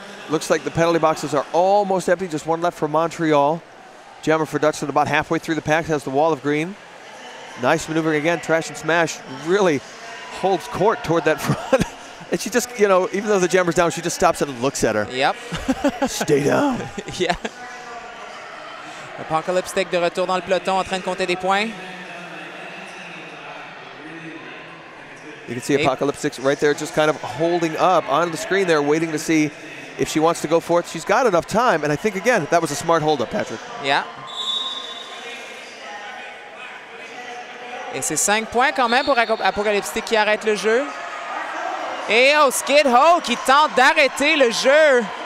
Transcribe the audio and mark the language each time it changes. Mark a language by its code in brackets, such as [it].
[en] Looks like the penalty boxes are almost empty. Just one left for Montreal. Jammer for Dutchland about halfway through the pack has the wall of green. Nice maneuvering again. Trash and Smash really holds court toward that front. And she just, even though the jammer's down, she just stops and looks at her. Yep. Stay down. Yeah. [fr] Apocalyptique de retour dans le peloton en train de compter des points. [en] You can see Apocalyptique right there just kind of holding up on the screen there, waiting to see if she wants to go for it. She's got enough time. And I think, again, that was a smart holdup, Patrick. Yeah. [fr] Et c'est 5 points quand même pour Apocalyptique qui arrête le jeu. Et oh, Skid Ho qui tente d'arrêter le jeu.